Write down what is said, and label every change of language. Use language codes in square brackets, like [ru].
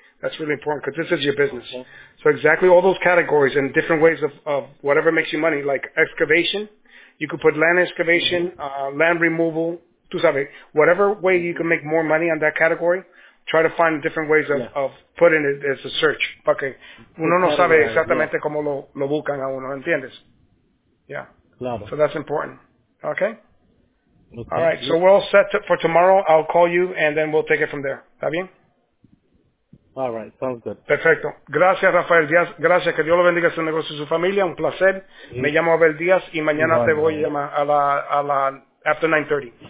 [en] That's really important because this is your business. Okay. So exactly all those categories and different ways of whatever makes you money, like excavation. You could put land excavation, land removal, [es] tu sabes, [en] whatever way you can make more money on that category. Try to find different ways of putting it as a search. Okay. [es] Uno no sabe exactamente cómo lo buscan a uno, ¿entiendes? [en] Yeah. [es] Claro. [en] So that's important. Okay? Okay. All right. So we're all set for tomorrow. I'll call you, and then we'll take it from there. [es] ¿Está bien? [en] All right, sounds good. [es] Perfecto. Gracias, Rafael Díaz. Gracias, que Dios lo bendiga a su negocio y su familia. Un placer. Me llamo Abel Díaz y mañana te voy a llamar a la after 9:30.